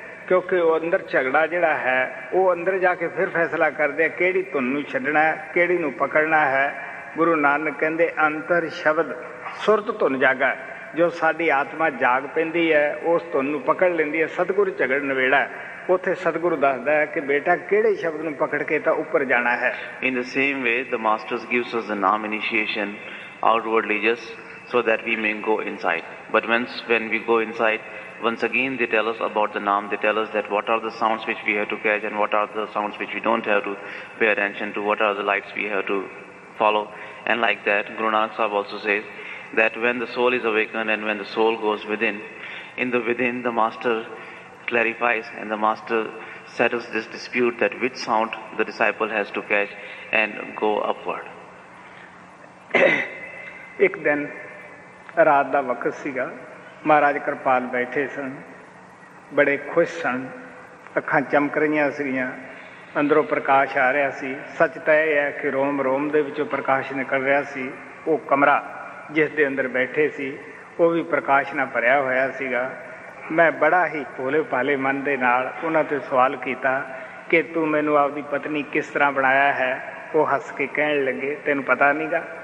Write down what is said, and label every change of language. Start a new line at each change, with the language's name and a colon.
Punjabi: ਕਿਉਂਕਿ ਉਹ ਅੰਦਰ ਝਗੜਾ ਜਿਹੜਾ ਹੈ ਉਹ ਅੰਦਰ ਜਾ ਕੇ ਫਿਰ ਫੈਸਲਾ ਕਰਦੇ ਆ ਕਿਹੜੀ ਧੁਨ ਨੂੰ ਛੱਡਣਾ ਹੈ ਕਿਹੜੀ ਨੂੰ ਪਕੜਨਾ ਹੈ ਗੁਰੂ ਨਾਨਕ ਕਹਿੰਦੇ ਅੰਤਰ ਸ਼ਬਦ ਸੁਰਤ ਧੁਨ ਜਾਗਾ ਜੋ ਸਾਡੀ ਆਤਮਾ ਜਾਗ ਪੈਂਦੀ ਹੈ ਉਸ ਧੁਨ ਨੂੰ ਪਕੜ ਲੈਂਦੀ ਹੈ ਸਤਿਗੁਰੂ ਝਗੜ ਨਵੇੜਾ ਉੱਥੇ ਸਤਿਗੁਰੂ ਦੱਸਦਾ ਹੈ ਕਿ ਬੇਟਾ ਕਿਹੜੇ ਸ਼ਬਦ ਨੂੰ ਪਕੜ ਕੇ ਤਾਂ ਉੱਪਰ ਜਾਣਾ ਹੈ
English: In the same way the masters gives us a Naam initiation outwardly just so that we may go inside. But once when we go inside, once again they tell us about the Naam, they tell us that what are the sounds which we have to catch and what are the sounds which we don't have to pay attention to, what are the lights we have to follow. And like that, Guru Nanak Sahib also says that when the soul is awakened and when the soul goes within, in the within the Master clarifies and the Master settles this dispute that which sound the disciple has to catch and go upward.
Punjabi: ਇੱਕ ਦਿਨ ਰਾਤ ਦਾ ਵਕਤ ਸੀਗਾ ਮਹਾਰਾਜ ਕਿਰਪਾਲ ਬੈਠੇ ਸਨ ਬੜੇ ਖੁਸ਼ ਸਨ ਅੱਖਾਂ ਚਮਕ ਰਹੀਆਂ ਸੀਗੀਆਂ ਅੰਦਰੋਂ ਪ੍ਰਕਾਸ਼ ਆ ਰਿਹਾ ਸੀ ਸੱਚ ਤਾਂ ਇਹ ਹੈ ਕਿ ਰੋਮ ਰੋਮ ਦੇ ਵਿੱਚੋਂ ਪ੍ਰਕਾਸ਼ ਨਿਕਲ ਰਿਹਾ ਸੀ ਉਹ ਕਮਰਾ ਜਿਸ ਦੇ ਅੰਦਰ ਬੈਠੇ ਸੀ ਉਹ ਵੀ ਪ੍ਰਕਾਸ਼ ਨਾਲ ਭਰਿਆ ਹੋਇਆ ਸੀਗਾ ਮੈਂ ਬੜਾ ਹੀ ਭੋਲੇ ਭਾਲੇ ਮਨ ਦੇ ਨਾਲ ਉਹਨਾਂ 'ਤੇ ਸਵਾਲ ਕੀਤਾ ਕਿ ਤੂੰ ਮੈਨੂੰ ਆਪਦੀ ਪਤਨੀ ਕਿਸ ਤਰ੍ਹਾਂ ਬਣਾਇਆ ਹੈ ਉਹ ਹੱਸ ਕੇ ਕਹਿਣ ਲੱਗੇ ਤੈਨੂੰ ਪਤਾ ਨਹੀਂ ਗਾ